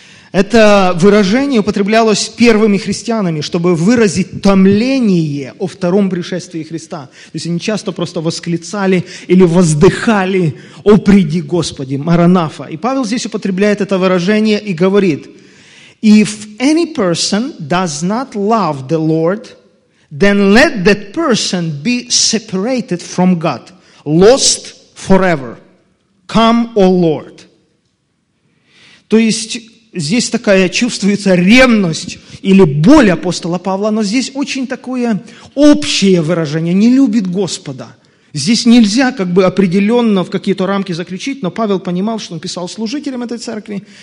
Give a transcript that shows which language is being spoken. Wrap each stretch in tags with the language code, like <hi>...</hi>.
<ru>Это выражение употреблялось первыми христианами, чтобы выразить томление о втором пришествии Христа. То есть они часто просто восклицали или воздыхали: «О, приди, Господи, Маранафа». И Павел здесь употребляет это выражение и говорит:</ru> <en>«If any person does not love the Lord, then let that person be separated from God, lost forever. Come, O Lord».</en> <ru>То есть здесь такая чувствуется ревность или боль апостола Павла, но здесь очень такое общее выражение, не любит Господа. Здесь нельзя как бы определенно в какие-то рамки заключить, но Павел понимал, что он писал служителям этой церкви.</ru>